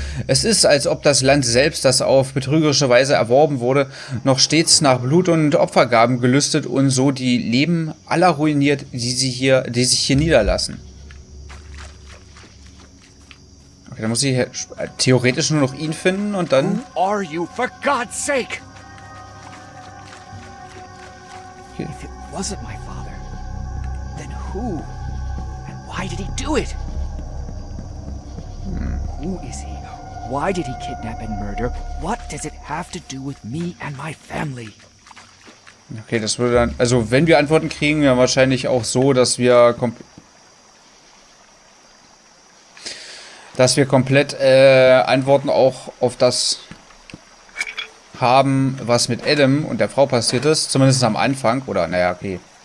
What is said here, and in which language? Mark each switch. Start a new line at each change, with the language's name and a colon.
German: Es ist, als ob das Land selbst, das auf betrügerische Weise erworben wurde, noch stets nach Blut und Opfergaben gelüstet und so die Leben aller ruiniert, die sich hier niederlassen. Okay, dann muss ich theoretisch nur noch ihn finden und dann.
English: Who are you, for God's sake? Okay. If it wasn't my father, then who? And why did he do it? Who is he? Why did he kidnap and murder? What does it have to do with me and my family?
German: Okay, das würde dann. Also, wenn wir Antworten kriegen, dann wahrscheinlich auch so, dass wir. dass wir komplett Antworten auch auf das haben, was mit Adam und der Frau passiert ist. Zumindest am Anfang. Oder, naja, okay.